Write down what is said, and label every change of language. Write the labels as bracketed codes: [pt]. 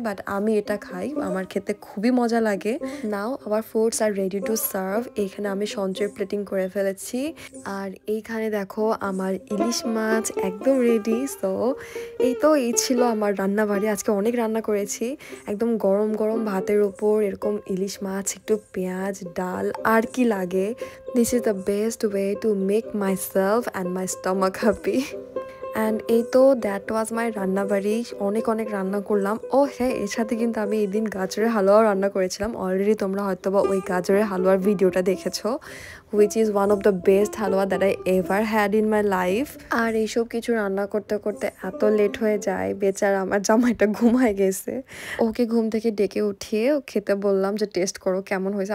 [bn] But আমি এটা খাই, আমার খেতে খুবই মজা লাগে। [en] now our foods are ready to serve, [bn] এখানে আমি সঞ্চয় প্লেটিং করে ফেলেছি, আর এইখানে দেখো আমার ইলিশ মাছ একদম রেডি। সো এই তো এই ছিল আমার রান্নাবাড়ি, আজকে অনেক রান্না করেছি, একদম গরম গরম ভাতের উপর এরকম ইলিশ মাছ একটু পেঁয়াজ ডাল আর কি লাগে। [en] This is the best way to make myself and my stomach happy. [bn] And এই তো [en] that was my [bn] রান্নাবাড়ি, অনেক অনেক রান্না করলাম। ও হ্যাঁ, এর সাথে কিন্তু আমি এই দিন গাজরের হালুয়া রান্না করেছিলাম, অলরেডি তোমরা হয়তো বা ওই গাজরের হালুয়ার ভিডিওটা দেখেছো, [en] Which is one of the best halwa that I ever had in my life. [bn] আর এইসব কিছু রান্না করতে করতে এত লেট হয়ে যায়, বেচারা আমার জামাইটা ঘুমায় গেছে, ওকে ঘুম থেকে ডেকে উঠিয়ে খেতে বললাম যে টেস্ট করো কেমন হয়েছে।